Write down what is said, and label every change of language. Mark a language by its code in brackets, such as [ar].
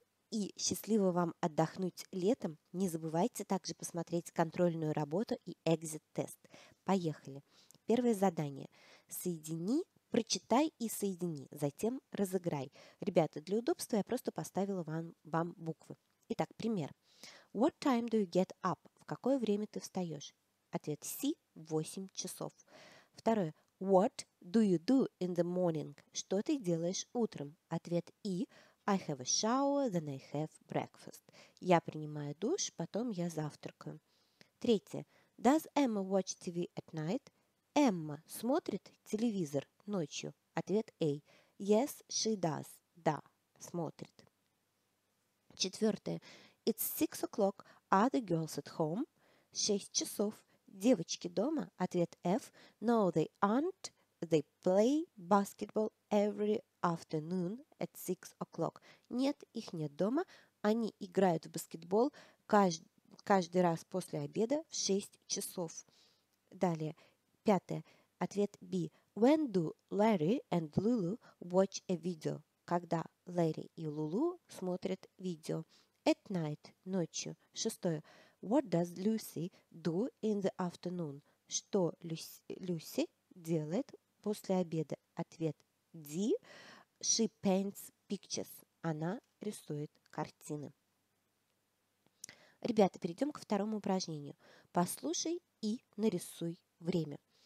[ru] И счастливо вам отдохнуть летом. Не забывайте также посмотреть контрольную работу и экзит-тест. Поехали! Первое задание. Соедини, прочитай и соедини, затем разыграй. Ребята, для удобства я просто поставила вам буквы. Итак, пример. [en] What time do you get up? [ru] В какое время ты встаешь? Ответ C – 8 часов. Второе. [en] What do you do in the morning? [ru] Что ты делаешь утром? [en] Ответ E – I have a shower, then I have breakfast. [ru] Я принимаю душ, потом я завтракаю. Третье. [en] Does Emma watch TV at night? [ru] Эмма смотрит телевизор ночью. [en] Ответ A. Yes, she does. [ru] Да, смотрит. Четвертое. [en] It's 6 o'clock. Are the girls at home? [ru] 6 часов. Девочки дома? Ответ F. [en] No, they aren't. They play basketball every afternoon at 6 o'clock. [ru] Нет, их нет дома. Они играют в баскетбол каждый раз после обеда в 6 часов. Далее. Пятое. Ответ B. [en] When do Larry and Lulu watch a video? [ru] Когда Larry и Lulu смотрят видео? [en] At night. [ru] Ночью. Шестое. [en] What does Lucy do in the afternoon? [ru] Что Люси делает после обеда? [en] Ответ D. She paints pictures. [ru] Она рисует картины. Ребята, перейдем ко второму упражнению. Послушай и нарисуй время.